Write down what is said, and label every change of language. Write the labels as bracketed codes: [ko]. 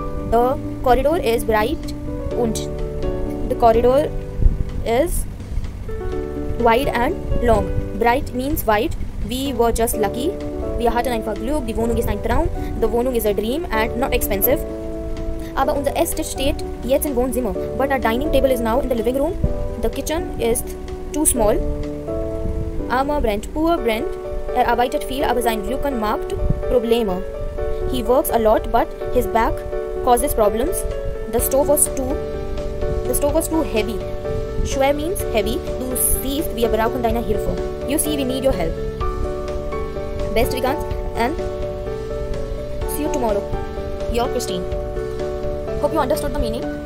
[en] The corridor is bright und the corridor is wide and long. Bright means wide. We were just lucky. [de] We hatten einfach Glück. Die Wohnung ist ein Traum. [en] The Wohnung is a dream and not expensive. [de] Aber unser Esstisch steht jetzt im Wohnzimmer. [en] But our dining table is now in the living room. The kitchen is too small. [de] Armer Brent, [en] poor Brent. [de] Er arbeitet viel, aber sein Rücken macht Probleme. [en] He works a lot, but his back causes problems. The stove was too heavy. Schwer means heavy. [de] Du siehst, wir brauchen deine Hilfe. [en] You see, we need your help. Best regards and see you tomorrow. Your Christine. Hope you understood the meaning.